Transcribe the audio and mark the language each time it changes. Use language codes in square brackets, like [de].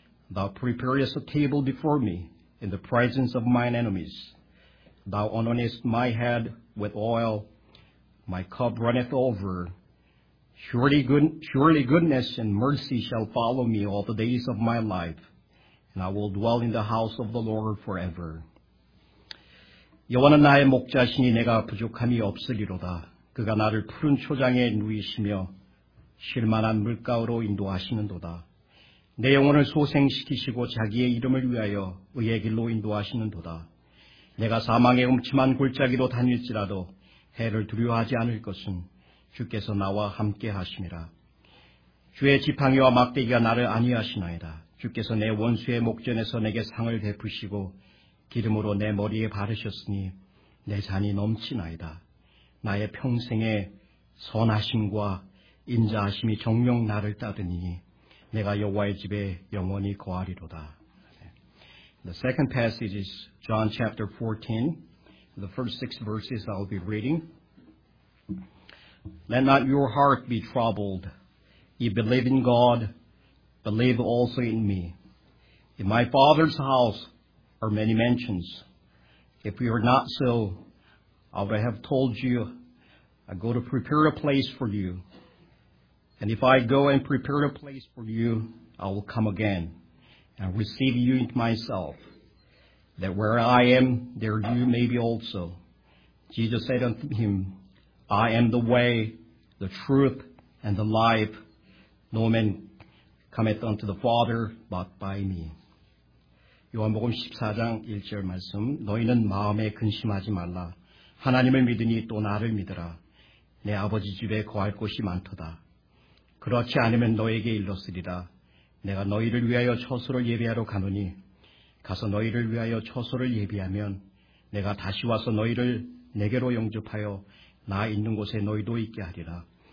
[en] Thou preparest a table before me in the presence of mine enemies. Thou anointest my head with oil. My cup runneth over. Surely goodness and mercy shall follow me all the days of my life, and I will dwell in the house of the Lord forever. [ko] 여호와는 나의 목자시니 내가 부족함이 없으리로다. 그가 나를 푸른 초장에 누이시며 쉴만한 물가로 인도하시는도다. 내 영혼을 소생시키시고 자기의 이름을 위하여 의의 길로 인도하시는도다. 내가 사망의 음침한 골짜기로 다닐지라도 해를 두려워하지 않을 것은 주께서 나와 함께 하심이라. 주의 지팡이와 막대기가 나를 안위하시나이다. 주께서 내 원수의 목전에서 내게 상을 베푸시고 기름으로 내 머리에 바르셨으니 내 잔이 넘치나이다. 나의 평생에 선하심과 인자하심이 정녕 나를 따르니 내가 여호와의 집에 영원히 거하리로다. [en] The second passage is John chapter 14. The first six verses I will be reading. Let not your heart be troubled. Ye believe in God, believe also in me. In my Father's house are many mansions. If it were not so, I would have told you, I go to prepare a place for you. And if I go and prepare a place for you, I will come again and receive you into myself, that where I am, there you may be also. Jesus said unto him, I am the way, the truth, and the life. No man cometh unto the Father but by me. [ko] 요한복음 14장 1절 말씀, 너희는 마음에 근심하지 말라. 하나님을 믿으니 또 나를 믿으라. 내 아버지 집에 거할 곳이 많도다. 그렇지 않으면 너에게 일렀으리라. 내가 너희를 위하여 처소를 예비하러 가노니 가서 너희를 위하여 처소를 예비하면 내가 다시 와서 너희를 내게로 영접하여 나 있는 곳에 너희도 있게 하리라.